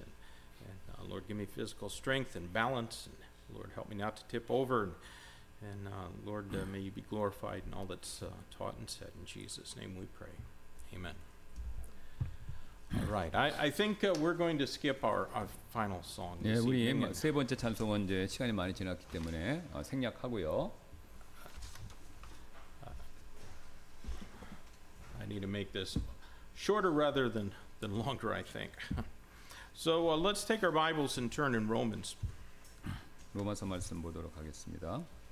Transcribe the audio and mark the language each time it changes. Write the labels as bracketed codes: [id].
[en] And Lord, give me physical strength and balance. And Lord, help me not to tip over. And Lord, may you be glorified in all that's taught and said. In Jesus' name we pray. Amen. All right. I think we're going to skip our final song. This [ko] 네, 우리 [en] evening. [ko] 세 번째 찬송은 이제 시간이 많이 지났기 때문에 생략하고요. [en] I need to make this shorter rather than longer, I think. So let's take our Bibles and turn in Romans. [ko] 로마서 말씀 보도록 하겠습니다.